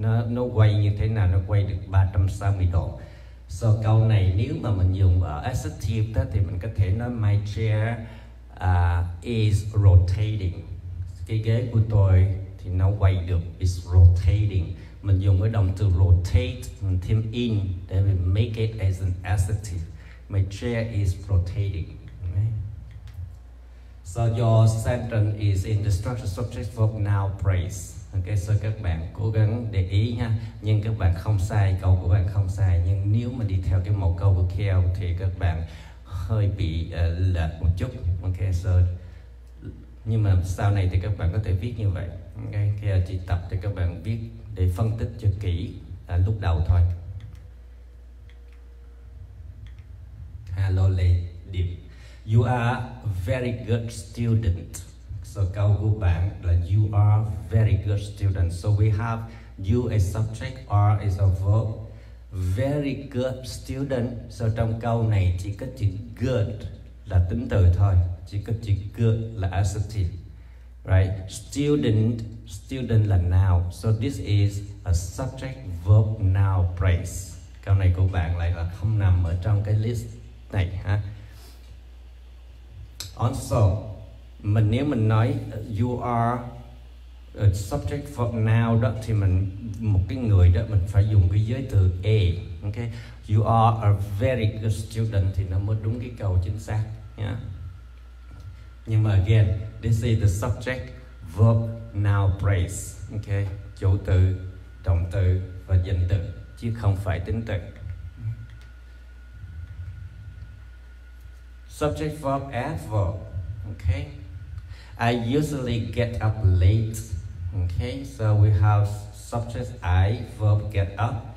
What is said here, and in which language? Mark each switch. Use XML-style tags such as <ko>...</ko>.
<vi>Nó quay như thế nào, nó quay được 360 độ. So câu này nếu mà mình dùng ở adjective đó, thì mình có thể nói</vi> <en>my chair is rotating.</en> <vi>Cái ghế của tôi thì nó quay được, is rotating. mình dùng cái động từ rotate, mình thêm in để mình</vi> <en>make it as an adjective. My chair is rotating. So your sentence is in the structure subject verb noun phrase.</en> <vi>Okay, so các bạn cố gắng để ý nha. Nhưng các bạn không sai, câu của bạn không sai. Nhưng nếu mà đi theo cái mẫu câu của Kel thì các bạn hơi bị lệch một chút. Okay, so nhưng mà sau này thì các bạn có thể viết như vậy. Okay, Kel chỉ tập cho các bạn viết để phân tích cho kỹ lúc đầu thôi.</vi> <en>Hello, lady. You are a very good student. So</en> <vi>câu của bạn là</vi> <en>you are very good student. So we have you a subject or is a verb. Very good student.</en> <vi>So trong câu này chỉ có chữ good là tính từ thôi. Chỉ có chữ good là adjective.</vi> <en>Right? Student, student là noun. So this is a subject verb noun phrase.</en> <vi>Câu này của bạn lại là không nằm ở trong cái list này ha. Also, mình nếu mình nói</vi> <en>you are a subject verb noun</en> <vi>đó thì mình một cái người đó mình phải dùng cái giới từ a, okay?</vi> <en>You are a very good student</en> <vi>thì nó mới đúng cái câu chính xác nhé.</vi> <en>Yeah.</en> <vi>Nhưng mà</vi> <en>again, this is the subject verb noun phrase, okay?</en> <vi>Chủ từ, động từ và danh từ chứ không phải tính từ.</vi> <en>Subject verb adverb, okay. I usually get up late, okay. So we have subject I, verb get up.</en>